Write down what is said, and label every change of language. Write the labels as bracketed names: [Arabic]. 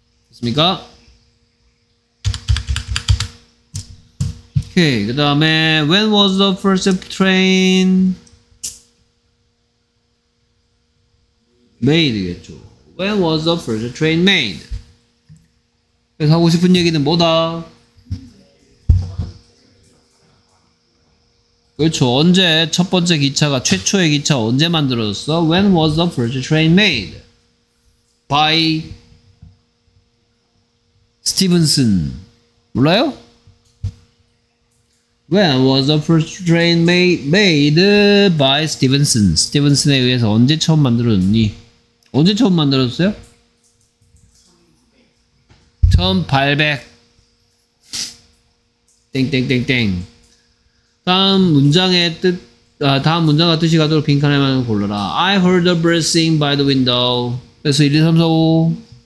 [Korean] 됐습니까? 오케이. 그 다음에 [English] when was the first train made겠죠. When was the first train made? [Korean] 그래서 하고 싶은 얘기는 뭐다? 그렇죠. 언제 첫 번째 기차가 최초의 기차 언제 만들어졌어? [English] When was the first train made? By Stevenson. [Korean] 몰라요? [English] When was the first train made by Stevenson? [Korean] Stevenson에 의해서 언제 처음 만들어졌니? 언제 처음 만들어졌어요? 1800. 땡땡땡땡. 다음 문장의 뜻, 다음 문장과 뜻이 가도록 빈칸에만 골라라. [English] I heard a breathing by the window. [Korean] 그래서 1, 2, 3, 4, 5.